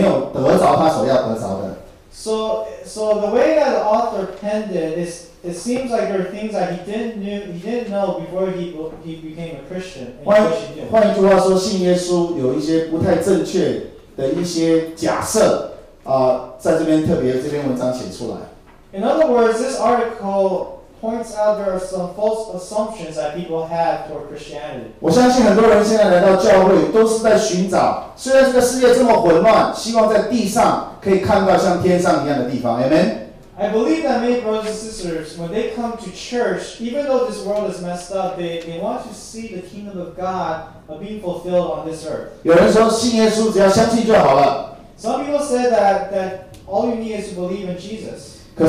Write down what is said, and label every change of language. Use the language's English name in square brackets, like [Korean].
[Chinese] 好像他信耶稣之前有人没跟他讲清楚，所以他信了之后，他觉得有点意外，没有得着他所要得着的。So [English] the way that the author penned it is, it seems like there are things that he didn't know before he became a Christian. [Chinese] 换句话说，信耶稣有一些不太正确的一些假设，在这边特别这篇文章写出来。 [English] In other words, this article points out there are some false assumptions that people have toward Christianity. [Chinese] 我相信很多人现在来到教会，都是在寻找，虽然这个世界这么混乱，希望在地上可以看到像天上一样的地方。Amen. [English] I believe that many brothers and sisters, when they come to church, even though this world is messed up, they want to see the kingdom of God being fulfilled on this earth. [Chinese] 有人说信耶稣只要相信就好了。Some [English] people say that all you need is to believe in Jesus.